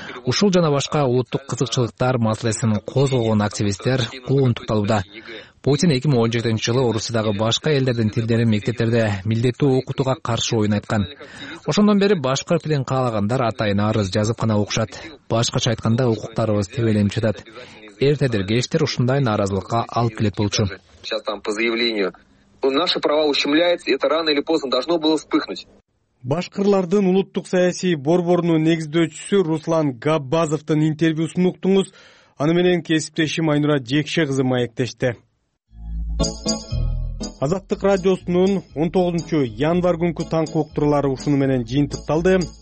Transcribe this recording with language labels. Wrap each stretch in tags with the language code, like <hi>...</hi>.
<ky>Ушул жана башка улуттук кызыкчылыктар маселесин козгогон активисттер куугунтукталууда. Путин 2017-жылы Орусиядагы башка элдердин тилдерин мектептерде милдеттүү окутууга каршы оюн айткан. Ошондон бери башкыр тилин каалагандар атайын арыз жазып гана окушат. Башкача айтканда укуктарыбыз тебеленип жатат. Эртедир кечтер ушундай нааразылыкка алып келет болчу.</ky> <ru>Сейчас там по заявлению наши права ущемляются, и это рано или поздно должно было вспыхнуть.</ru> <ky>Башкырлардын улуттук саясий борборунун негиздөөчүсү Руслан Габбазовдун интервьюсун уктуңуз. Аны менен кесиптешим Айнура Жекше кызы маектеште. Азаттык радиосунун 19-январ күнкү таңкы уктурулары ушуну менен жыйынтыкталды.</ky>